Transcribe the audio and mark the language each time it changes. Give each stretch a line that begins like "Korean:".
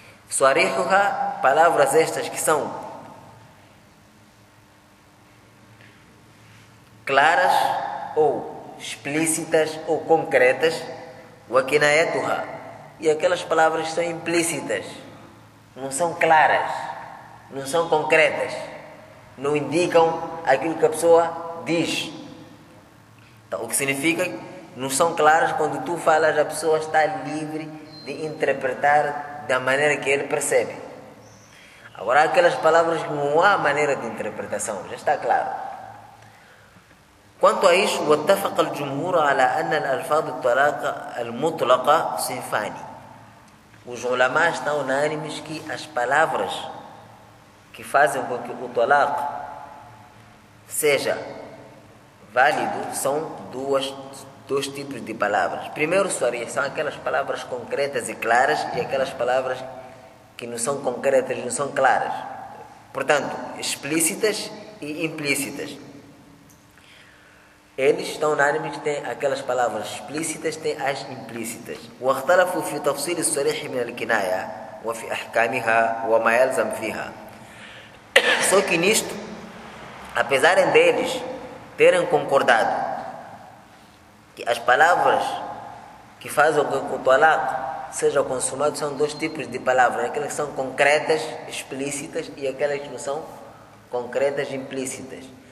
Portuguese: Suarihuha, palavras estas que são claras ou explícitas ou concretas, wa kinayatuha, e aquelas palavras que são implícitas, não são claras, não são concretas, não indicam aquilo que a pessoa diz. Então, o que significa que não são claras, quando tu falas, a pessoa está livre de interpretar da maneira que ele percebe. Agora, aquelas palavras que não há maneira de interpretação, já está claro. Quanto a isso, o
Arabic: اتفق الجمهور على ان الالفاظ الطلاق المطلقه صنفان.
Portuguese: Os ulamas estão unânimes que as palavras que fazem com que o talaq seja válido são dois tipos de palavras. Primeiro, sorry, são aquelas palavras concretas e claras e aquelas palavras que não são concretas e não são claras. Portanto, explícitas e implícitas. Eles estão unânimes que têm aquelas palavras explícitas, têm as implícitas.
Arabic: O اختلفوا في تفصيل الصريح من الكناية وفي أحكامها وما يلزم فيها.
Portuguese: Só que nisto, apesar deles terem concordado que as palavras que fazem com que o talaq seja consumado são dois tipos de palavras, aquelas que são concretas, explícitas, e aquelas que não são concretas, implícitas.